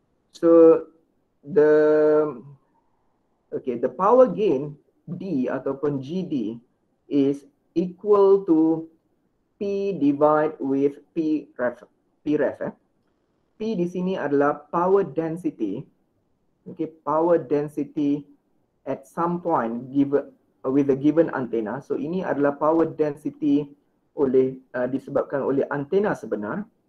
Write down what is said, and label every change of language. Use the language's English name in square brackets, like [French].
[English] So, the power gain D ataupun GD is equal to P divide with P ref. P ref. [Malay] P di sini adalah power density. [English] Okay, power density at some point with a given antenna. [Malay] So, ini adalah power density oleh disebabkan oleh antenna sebenar.